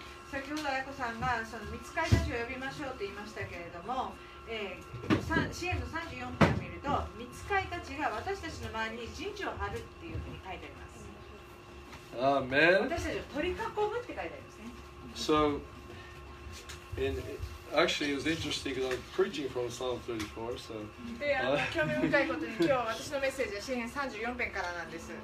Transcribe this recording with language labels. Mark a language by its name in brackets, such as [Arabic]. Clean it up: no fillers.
[Japanese] 先ほど愛子さんがその御使いたちを呼びましょうと言いましたけれども、詩編の34編を見ると御使いたちが私たちの周りに陣地を張るっていうふうに書いてあります。アーメン。私たちを取り囲むって書いてありますね。 [English] So in actually it was interesting because I'm preaching from Psalm 34, so [Japanese] 興味深いことに今日私のメッセージは詩編34編からなんです。